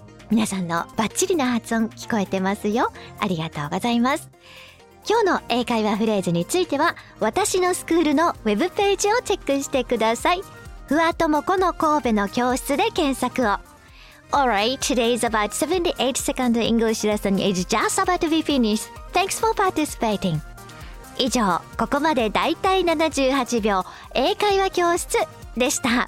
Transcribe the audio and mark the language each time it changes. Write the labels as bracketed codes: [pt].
[ja] 皆さんのバッチリな発音聞こえてますよ。ありがとうございます。今日の英会話フレーズについては私のスクールのウェブページをチェックしてください。ふわともこの神戸の教室で検索を。 [en] Alright, today's about 78 second English lesson is just about to be finished. Thanks for participating. [ja] 以上、ここまでだいたい78秒英会話教室でした。